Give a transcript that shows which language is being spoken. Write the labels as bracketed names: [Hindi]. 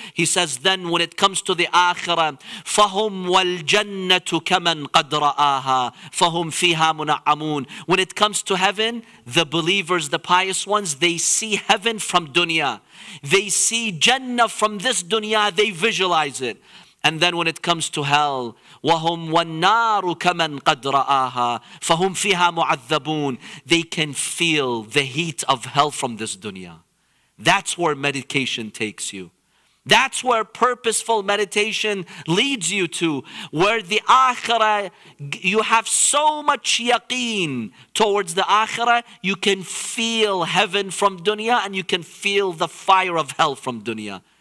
[English] He says then when it comes to the Akhirah, [Arabic] فَهُمْ وَالْجَنَّةُ كَمَنْ قَدْ رَآهَا فَهُمْ فِيهَا مُنَعَّمُونَ. [English] When it comes to heaven, the believers, the pious ones, they see heaven from dunya. They see Jannah from this dunya. They visualize it. And then when it comes to hell, [Arabic] وَهُمْ وَالنَّارُ كَمَنْ قَدْ رَآهَا فَهُمْ فِيهَا مُعَذَّبُونَ. [English] They can feel the heat of hell from this dunya. That's where meditation takes you. That's where purposeful meditation leads you to. Where the akhirah, you have so much yaqeen towards the akhirah, you can feel heaven from dunya and you can feel the fire of hell from dunya.